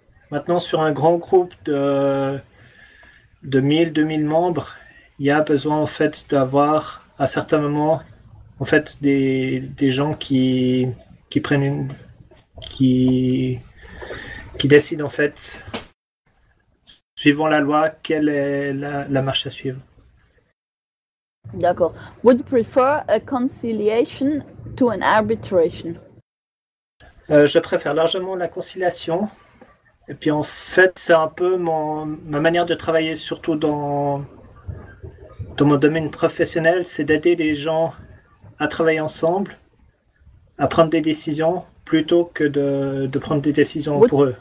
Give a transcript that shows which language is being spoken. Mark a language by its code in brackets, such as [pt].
[fr] Maintenant, sur un grand groupe de 1000-2000 membres, il y a besoin en fait d'avoir à certains moments en fait des gens qui prennent une qui décident en fait suivant la loi quelle est la marche à suivre. D'accord. [en] Would you prefer a conciliation to an arbitration? [fr] Je préfère largement la conciliation. Et puis en fait, c'est un peu ma manière de travailler, surtout dans mon domaine professionnel, c'est d'aider les gens à travailler ensemble, à prendre des décisions, plutôt que de prendre des décisions pour eux.